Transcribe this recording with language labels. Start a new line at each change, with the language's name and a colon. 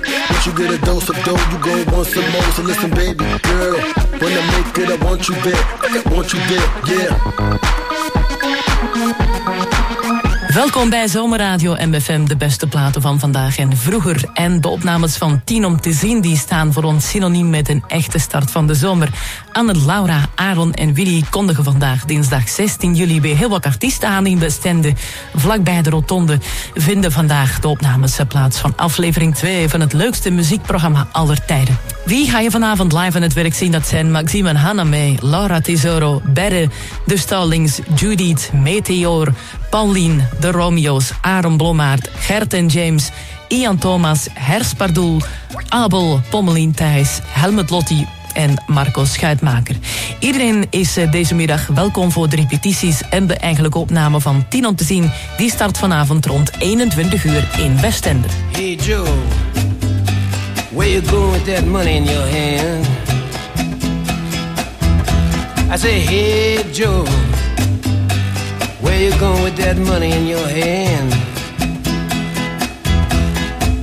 English: Once you get a dose of dough, you go want some more. So listen, baby girl. When I make it, I want you back. I want you back, yeah.
Dutch: Welkom bij Zomerradio MFM, de beste platen van vandaag en vroeger. En de opnames van 10 om te zien, die staan voor ons synoniem met een echte start van de zomer. Anne, Laura, Aaron en Willy kondigen vandaag dinsdag 16 juli bij heel wat artiesten aan in Bestende, vlakbij de Rotonde, vinden vandaag de opnames plaats van aflevering 2 van het leukste muziekprogramma aller tijden. Wie ga je vanavond live aan het werk zien? Dat zijn Maxime en Hannah May, Laura Tesoro, Berre, De Stallings, Judith, Meteor, Pauline, De Romeo's, Aaron Blommaert, Gert en James, Ian Thomas, Herspardoel, Abel, Pommelien Thijs, Helmut Lotti en Marco Schuitmaker. Iedereen is deze middag welkom voor de repetities en de eigenlijke opname van 10 om te zien. Die start vanavond rond 21 uur in Westende.
English: Hey Joe, where you going with that money in your hand? I say, hey Joe, where you going with that money in your hand?